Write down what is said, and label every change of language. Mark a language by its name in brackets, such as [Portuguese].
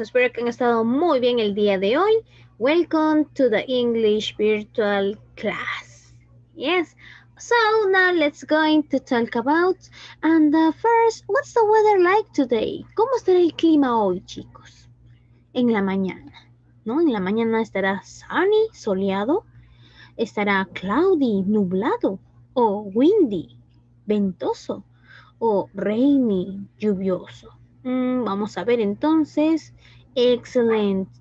[Spanish] Espero que han estado muy bien el día de hoy. [English] Welcome to the English virtual class. Yes. So now let's going to talk about. And first, what's the weather like today? [Spanish] ¿Cómo estará el clima hoy, chicos? En la mañana. ¿No? En la mañana estará sunny, soleado. Estará cloudy, nublado. O windy, ventoso. O rainy, lluvioso. Vamos a ver entonces. Excellent.